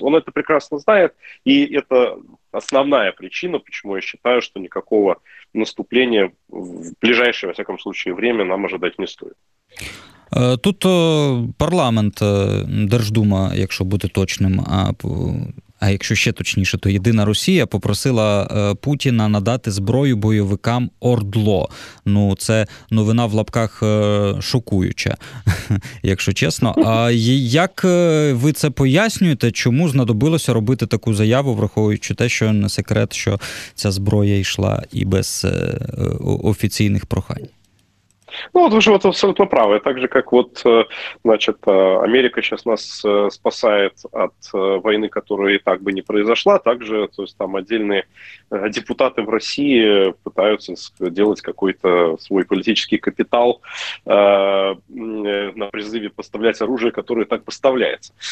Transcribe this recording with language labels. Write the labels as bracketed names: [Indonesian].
[Russian] Он это прекрасно знает, и это основная причина, почему я считаю, что никакого наступления в ближайшее, во всяком случае, время нам ожидать не стоит. [Ukrainian] Тут парламент, Держдума, якщо бути точним, а якщо ще точніше, то Єдина Росія попросила Путіна надати зброю бойовикам ОРДЛО. Ну, це новина в лапках шокуюча, якщо чесно. А як ви це пояснюєте, чому знадобилося робити таку заяву, враховуючи те, що не секрет, що ця зброя йшла і без офіційних прохань? [Russian] Ну, вот вы же абсолютно правы. Так же, как вот, значит, Америка сейчас нас спасает от войны, которая и так бы не произошла, так же, то есть там отдельные депутаты в России пытаются делать какой-то свой политический капитал на призыве поставлять оружие, которое и так поставляется.